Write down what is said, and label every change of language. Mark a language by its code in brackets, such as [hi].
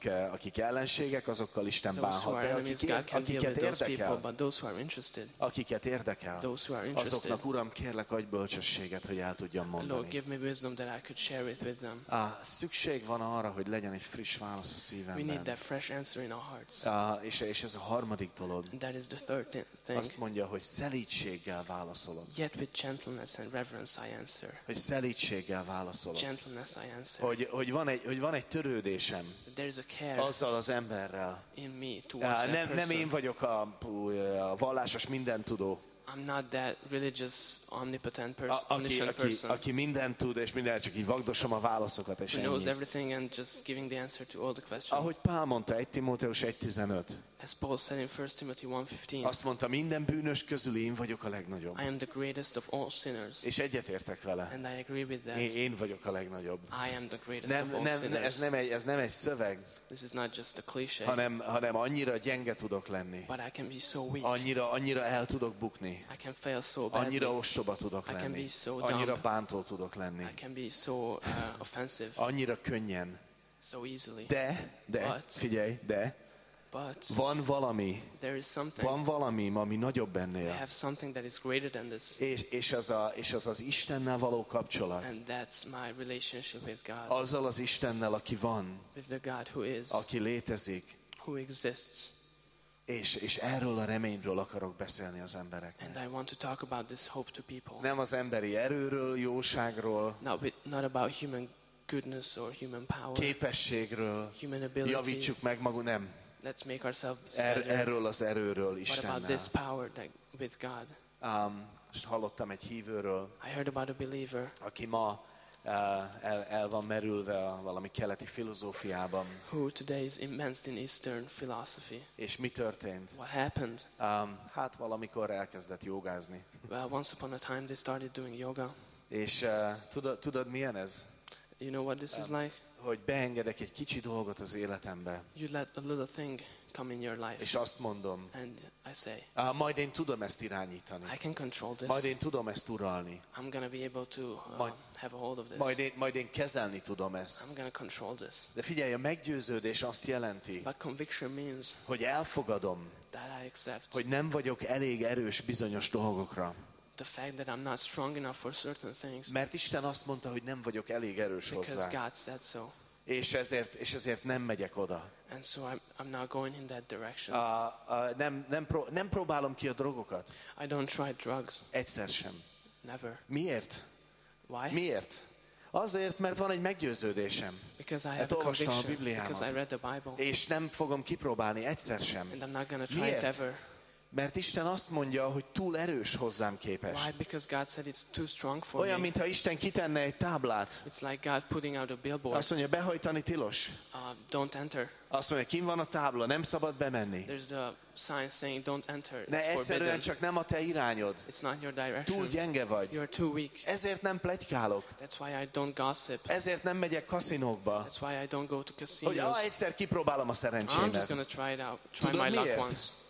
[hu] akik ellenségek, azokkal Isten bánhat, de akiket érdekel, akiket érdekel, azoknak Uram kérlek adj bölcsességet, hogy el tudjam mondani. [en] Lord, give me wisdom that I could share it with them. [hu] Szükség van arra, hogy legyen egy friss válasz a szívemben. [en] We need that fresh answer in our hearts. [hu] És ez a harmadik dolog. [en] That is the third thing. [hu] Azt mondja, hogy szelídséggel válaszolok. [en] Yet with gentleness and reverence I answer. [hu] Hogy szelídséggel válaszolok. [en] Gentleness I answer. [hu] Hogy van egy törődésem azzal az emberrel. Nem én vagyok a vallásos mindentudó. [en] I'm not that religious omnipotent person. [hu] Aki mindent tud és mindent csak így vagdosom a válaszokat és ennyi. [en] Who knows everything and just giving the answer to all the questions. [hu] Ahogy Pál mondta 1 Timóteus 1:15. [en] As Paul said in 1 Timothy 1:15. [hu] Azt mondta, minden bűnös közül én vagyok a legnagyobb. [en] I am the greatest of all sinners. [hu] És egyetértek vele. [en] And I agree with that. [hu] Én vagyok a legnagyobb. [en] I am the greatest of all sinners. [hu] Ez nem egy szöveg. [en] This is not just a cliche. [hu] Hanem annyira gyenge tudok lenni. [en] But I can be so weak. [hu] Annyira el tudok bukni. [en] I can fail so badly. [hu] Annyira ostoba tudok lenni. [en] I can be so dumb. [hu] Annyira bántó tudok lenni. [en] I can be so offensive. [hu] Annyira könnyen. [en] So easily. [hu] De [en] but, [hu] figyelj, de [en] but [hu] van valami. [en] There is something. [hu] Van valami, ami nagyobb bennél. [en] I have something that is greater than this. [hu] És az Istennel való kapcsolat. [en] And that's my relationship with God. [hu] Azzal az Istennel, aki van. [en] With the God who is. [hu] Aki létezik. [en] Who exists. [hu] És erről a reményről akarok beszélni az embereknek. [en] And I want to talk about this hope to people. [hu] Nem az emberi erőről, jóságról. [en] Not about human goodness or human power. [hu] Képességről. [en] Human ability. [hu] Javítsuk meg magunk, nem. [en] Let's make ourselves better. [hu] Erről az erőről, Istennel. [en] What about this power that with God? [hu] Most hallottam egy hívőről. [en] I heard about a believer. [hu] Aki ma el van merülve a valami keleti filozófiában. [en] Who today is immersed in Eastern philosophy. [hu] És mi történt? [en] What happened? [hu] Hát valamikor elkezdett jogázni. [en] Well, once upon a time they started doing yoga. [hu] És tudod milyen ez? [en] You know what this is like? [hu] Hogy beengedek egy kicsi dolgot az életembe. [en] You let a little thing come in your life. [hu] És azt mondom. [en] And I say. [hu] Majd én tudom ezt irányítani. [en] I can control this. [hu] Majd én tudom ezt uralni. [en] I'm gonna be able to have a hold of this. [hu] Majd én kezelni tudom ezt. [en] I'm gonna control this. [hu] De figyelj, a meggyőződés azt jelenti. [en] But conviction means. [hu] Hogy elfogadom. [en] That I accept. [hu] Hogy nem vagyok elég erős bizonyos dolgokra. [en] The fact that I'm not strong enough for certain things. [hu] Mert Isten azt mondta, hogy nem vagyok elég erős hozzá. [en] Because God said so. [hu] És ezért nem megyek oda. [en] And so I'm not going in that direction. [hu] Nem próbálom ki a drogokat. [en] I don't try drugs. [hu] Egyszer sem. [en] Never. [hu] Miért? [en] Why? [hu] Miért? Azért, mert van egy meggyőződésem. [en] Because I have a conviction. [hu] A Bibliámat, [en] because I read the Bible. [hu] És nem fogom kipróbálni egyszer sem. [en] And I'm not gonna try it ever. [hu] Mert Isten azt mondja, hogy túl erős hozzám képest. [en] Why? Because God said it's too strong for me. [hu] Olyan, mintha Isten kitenne egy táblát. [en] It's like God putting out a billboard. [hu] Azt mondja, behajtani tilos. [en] Don't enter. [hu] Azt mondja, kint van a tábla, nem szabad bemenni. [en] There's the sign saying don't enter. [hu] Ne, egyszerűen csak nem a te irányod. [en] It's not your direction. [hu] Túl gyenge vagy. [en] You're too weak. [hu] Ezért nem pletykálok. [en] That's why I don't gossip. [hu] Ezért nem megyek kaszinókba. [en] That's why I don't go to casinos. [hu] Hogy egyszer kipróbálom a szerencsémet. [en] I'm just gonna try it out, try my luck once.